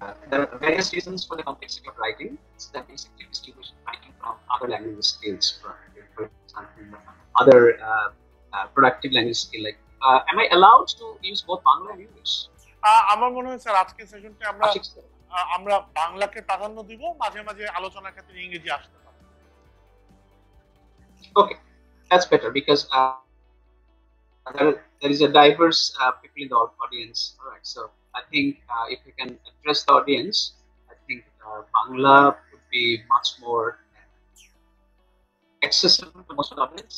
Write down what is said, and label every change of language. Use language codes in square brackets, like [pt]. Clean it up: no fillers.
[en] There are various reasons for the complexity of writing. So that basically distinguishes writing from other language skills, for example, other productive language skills. Like, am I allowed to use both Bangla and English? [bn] আমার মনে হয় sir আজকের সেশনটা আমরা আমরা বাংলাকে প্রাধান্য দিব, মাঝে মাঝে আলোচনার ক্ষেত্রে ইংরেজি আসতে পারে। [en] Okay, that's better because there is a diverse people in the audience. All right, so I think if you can address the audience, I think Bangla would be much more accessible to most of the audience.